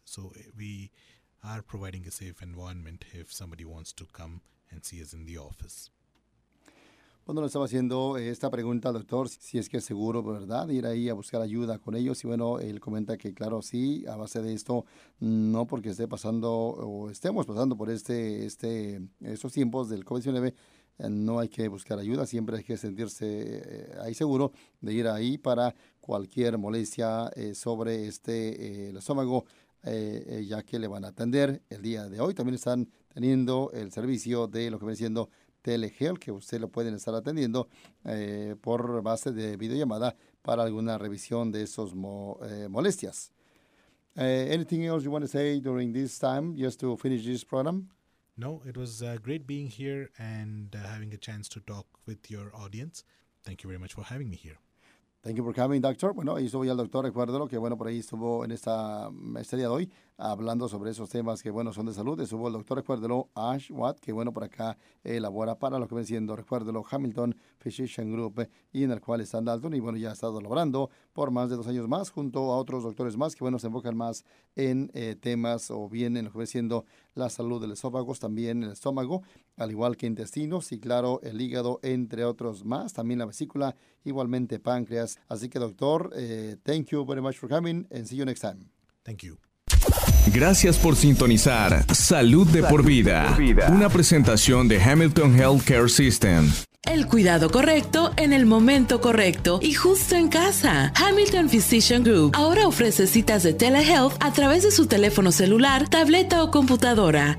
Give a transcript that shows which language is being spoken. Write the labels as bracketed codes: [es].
[en] So we are providing a safe environment if somebody wants to come and see us in the office. [es] Bueno, le estaba haciendo esta pregunta al doctor, si es que es seguro, ¿verdad?, ir ahí a buscar ayuda con ellos. Y bueno, él comenta que claro, sí, a base de esto, no porque esté pasando o estemos pasando por estos tiempos del COVID-19, no hay que buscar ayuda, siempre hay que sentirse ahí seguro de ir ahí para cualquier molestia sobre el estómago, ya que le van a atender el día de hoy. También están teniendo el servicio de lo que viene siendo Telehealth, que usted lo pueden estar atendiendo por base de videollamada para alguna revisión de esos molestias. [en] Anything else you want to say during this time, just to finish this program? No, it was great being here and having a chance to talk with your audience. Thank you very much for having me here. Thank you for coming, doctor. [es] Bueno, ahí estuvo ya el doctor. Recuérdelo que, bueno, por ahí estuvo en este día de hoy hablando sobre esos temas que, bueno, son de salud. Estuvo el doctor, recuérdelo, Ashwat, que, bueno, por acá elabora para lo que ven siendo, recuérdelo, Hamilton Physician Group, y en el cual está Dalton. Y, bueno, ya ha estado laborando por más de 2 años más junto a otros doctores más que, bueno, se enfocan más en temas o bien en lo que ven siendo la salud del esófago, también el estómago, al igual que intestinos y, claro, el hígado, entre otros más, también la vesícula, igualmente páncreas. Así que, [en] doctor, thank you very much for coming and see you next time. Thank you. [es] Gracias por sintonizar Salud de por vida. Una presentación de Hamilton Healthcare System. el cuidado correcto en el momento correcto y justo en casa. Hamilton Physician Group ahora ofrece citas de telehealth a través de su teléfono celular, tableta o computadora.